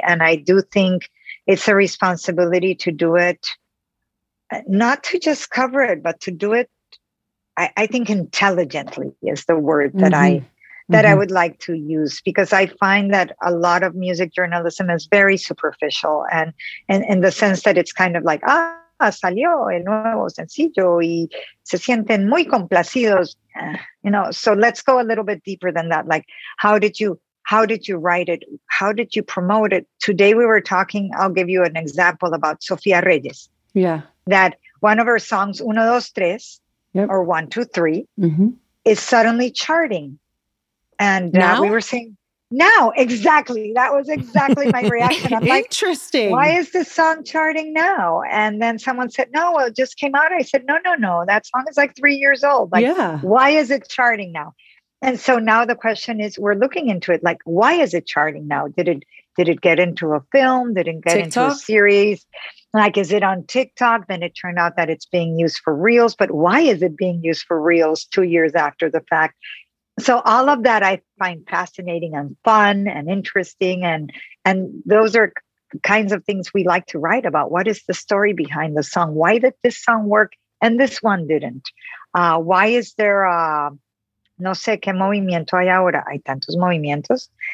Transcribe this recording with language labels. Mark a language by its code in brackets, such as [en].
[en] And I do think it's a responsibility to do it, not to just cover it, but to do it, I think intelligently is the word that I would like to use, because I find that a lot of music journalism is very superficial. And in the sense that it's kind of like, [es] salió el nuevo sencillo y se sienten muy complacidos. [en] You know, so let's go a little bit deeper than that. Like, how did you write it? How did you promote it? Today we were talking, I'll give you an example about Sofia Reyes. Yeah. That one of her songs, Uno, Dos, Tres, or 1, 2, 3, is suddenly charting. And now we were saying, now, exactly. That was exactly my reaction. I'm like, interesting. Why is this song charting now? And then someone said, no, well, it just came out. I said, no. That song is like 3 years old. Like, why is it charting now? And so now the question is, we're looking into it. Like, why is it charting now? Did it get into a film? Did it get TikTok? Into a series? Like, is it on TikTok? Then it turned out that it's being used for reels. But why is it being used for reels 2 years after the fact? So all of that I find fascinating and fun and interesting. And those are kinds of things we like to write about. What is the story behind the song? Why did this song work and this one didn't? Why is there a, [es] no sé qué movimiento hay ahora? Hay tantos movimientos.